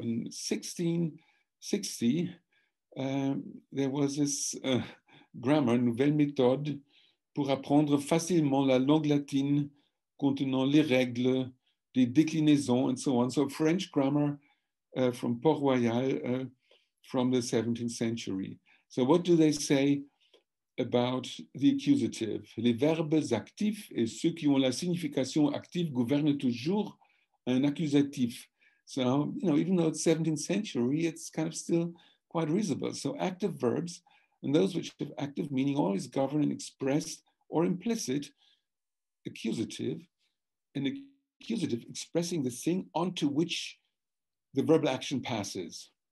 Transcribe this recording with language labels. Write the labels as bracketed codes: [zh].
[en] In 1660, there was this grammar, [fr] Nouvelle Méthode pour apprendre facilement la langue latine contenant les règles des déclinaisons, [en] and so on. So French grammar from Port-Royal from the 17th century. So what do they say about the accusative? [fr] Les verbes actifs et ceux qui ont la signification active gouvernent toujours un accusatif. [en] So, you know, even though it's 17th century, it's kind of still quite reasonable. So active verbs and those which have active meaning always govern an expressed or implicit accusative, an accusative expressing the thing onto which the verbal action passes.